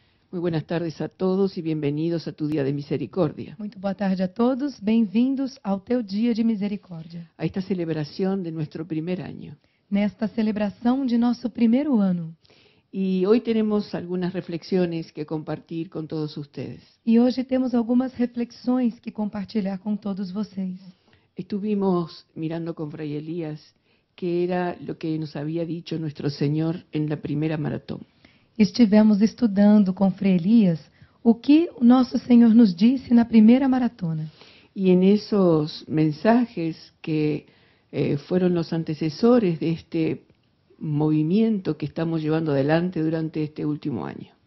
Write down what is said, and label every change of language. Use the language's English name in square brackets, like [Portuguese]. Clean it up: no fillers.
[Spanish] Muy buenas tardes a todos y bienvenidos a tu día de misericordia. Muy buenas tardes a todos, bienvenidos a tu día de misericordia. A esta celebración de nuestro primer año. [Portuguese] Nesta celebração de nosso primeiro ano. [Spanish] Y hoy tenemos algunas reflexiones que compartir con todos ustedes. [Portuguese] E hoje temos algumas reflexões que compartilhar com todos vocês. [Spanish] Estuvimos mirando con Fray Elías que era lo que nos había dicho nuestro Señor en la primera maratón. [Portuguese] Estivemos estudando com Frei Elias o que nosso Senhor nos disse na primeira maratona. E em esses mensagens que foram os antecessores de este movimento que estamos levando adelante durante este último ano.